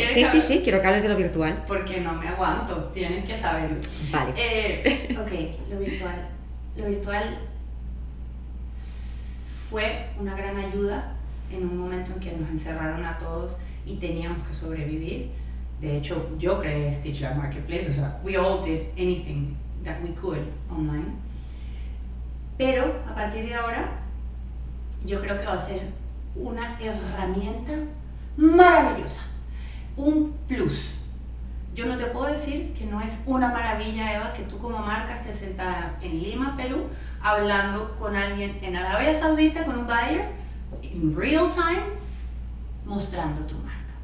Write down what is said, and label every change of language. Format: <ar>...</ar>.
<es>Sí, quiero que hables de lo virtual. Porque no me aguanto, tienes que saberlo. Vale. Ok, lo virtual. Lo virtual fue una gran ayuda en un momento en que nos encerraron a todos y teníamos que sobrevivir.</es> <en>De hecho, yo creé Stitch Lab Marketplace, o sea, we all did anything that we could online.</en> <es>Pero a partir de ahora, yo creo que va a ser una herramienta maravillosa, un plus. Yo no te puedo decir que no es una maravilla, Eva, que tú como marca estés sentada en Lima, Perú, hablando con alguien en Arabia Saudita, con un buyer, en real time, mostrando tu marca.</es>